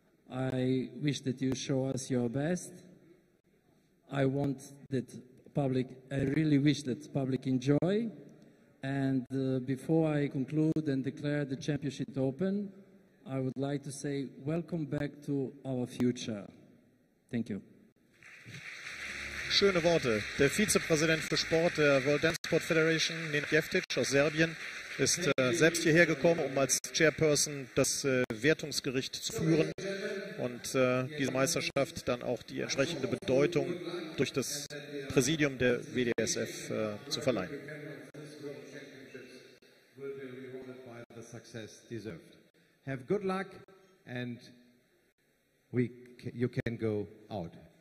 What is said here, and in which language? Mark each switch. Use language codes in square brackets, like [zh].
[en] I wish that you show us your best. I want that public, I really wish that public enjoy. And before I conclude and declare the championship open, I would like to say welcome back to our future. Thank you. [de] Schöne Worte. Der Vizepräsident für Sport der World Dance Sport Federation, Nenad Jeftic aus Serbien, ist selbst hierher gekommen, um als Chairperson das Wertungsgericht zu führen und diese Meisterschaft dann auch die entsprechende Bedeutung durch das Präsidium der WDSF zu verleihen. [en] Success deserved. Have good luck and you can go out.